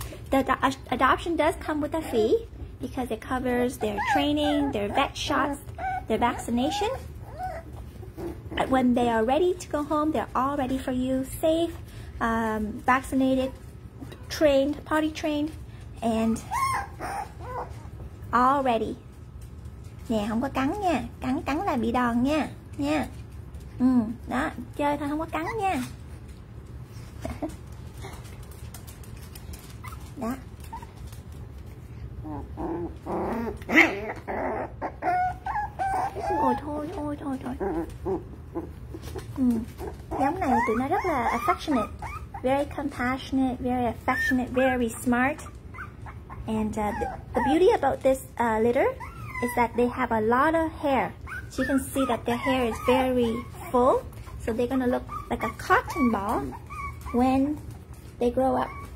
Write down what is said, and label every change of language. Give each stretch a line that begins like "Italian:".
English: The adoption does come with a fee because it covers their training, their vet shots, their vaccination. But when they are ready to go home, they're all ready for you, safe, vaccinated, trained, potty trained, and all ready.
Vietnamese: Nè, không có cắn nha. Cắn cắn là bị đòn nha. Nha. Đó, chơi thôi không có cắn nha. Đó. Ôi thôi. Giống này tụi nó rất là affectionate.
English: Very compassionate, very affectionate, very smart. And the beauty about this litter is that they have a lot of hair. So you can see that their hair is very full. So they're gonna look like a cotton ball when they grow up.